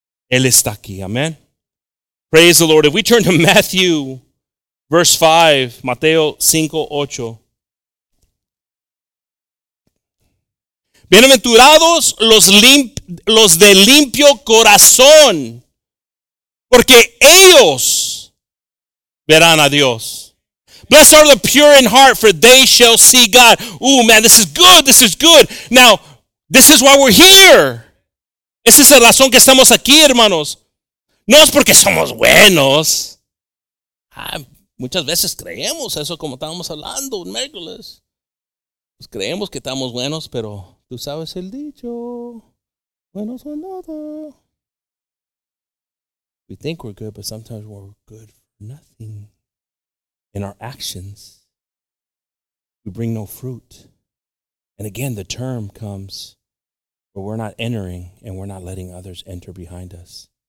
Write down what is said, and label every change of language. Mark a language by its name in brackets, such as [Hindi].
[Spanish] Él está aquí. [English] Amen. Praise the Lord. If we turn to Matthew, verse 5, Mateo 5, 8. [Spanish] Bienaventurados los de limpio corazón, porque ellos verán a Dios. [English] Blessed are the pure in heart, for they shall see God. Ooh, man, this is good. This is good. Now, This is why we're here. [Spanish] Esa es la razón que estamos aquí, hermanos. No es porque somos buenos. Muchas veces creemos eso como estábamos hablando en miércoles. Pues creemos que estamos buenos, pero tú sabes el dicho. Buenos o nada. [English] We think we're good, but sometimes we're good for nothing. In our actions, we bring no fruit. And again, the term comes, but we're not entering and we're not letting others enter behind us.